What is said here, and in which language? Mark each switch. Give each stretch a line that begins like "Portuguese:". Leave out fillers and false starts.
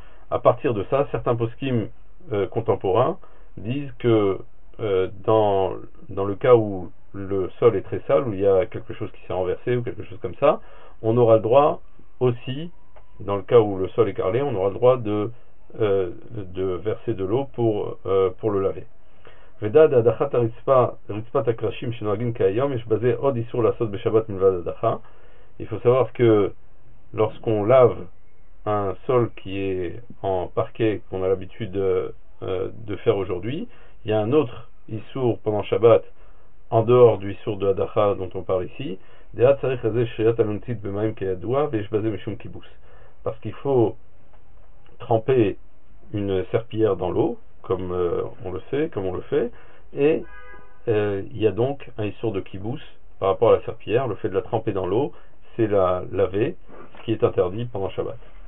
French: À partir de ça, certains poskim contemporains disent que dans le cas où le sol est très sale, où il y a quelque chose qui s'est renversé ou quelque chose comme ça, on aura le droit aussi, dans le cas où le sol est carrelé, on aura le droit de verser de l'eau pour le laver.
Hebrew: ודעת הדחת רצפת הקרשים שנוהגים כיום, יש בזה עוד איסור לעשות בשבת מלבד הדחה.
French: Il faut savoir que lorsqu'on lave un sol qui est en parquet, qu'on a l'habitude de faire aujourd'hui, il y a un autre איסור pendant Shabbat, en dehors du איסור de הדחה dont on parle ici.
Hebrew: דעת צריך לזה שריית הנוצית במים כידוע, ויש בזה משום קיבוס.
French: Parce qu'il faut tremper une serpillière dans l'eau, comme on le sait, comme on le fait, et il y a donc un issur de kibous par rapport à la serpillière, le fait de la tremper dans l'eau, c'est la laver, ce qui est interdit pendant Shabbat.